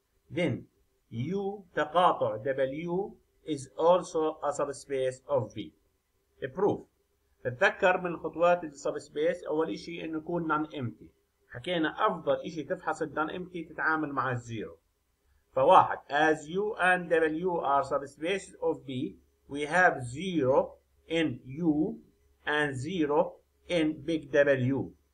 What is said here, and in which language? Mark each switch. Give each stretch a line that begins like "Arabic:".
English: Then U
Arabic: تقاطع
English: W is also a subspace of V. The proof.
Arabic: تذكر من خطوات السبسبيس أول إشي إنه يكون non-empty. حكينا أفضل إشي تفحص non-empty تتعامل مع الزيرو.
English: فواحد as U and W are subspaces of V, we have zero in U and zero in big W.